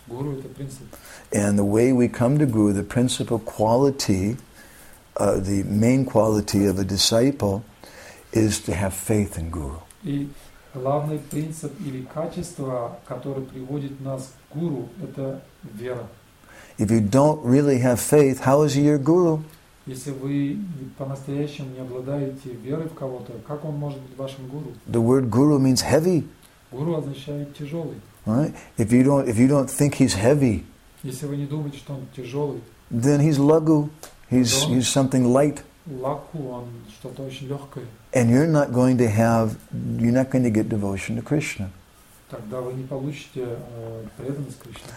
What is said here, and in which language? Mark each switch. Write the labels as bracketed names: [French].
[English] And the way we come to guru, the principal quality, the main quality of a disciple, is to have faith in guru. [Russian] И главный принцип или качество, которое приводит нас к гуру, это вера. [English] If you don't really have faith, how is he your guru? [Russian] Если вы по-настоящему не обладаете верой в кого-то, как он может быть вашим гуру? [English] The word guru means heavy. [Russian] Гуру означает тяжелый. [English] Right? If you don't think he's heavy, [Russian] если вы не думаете, что он тяжелый, [English] then he's lagu. He's something light. [Russian] Лаку, он что-то очень легкое. [English] And you're not going to get devotion to Krishna. [Russian] Тогда вы не получите преданность Кришне.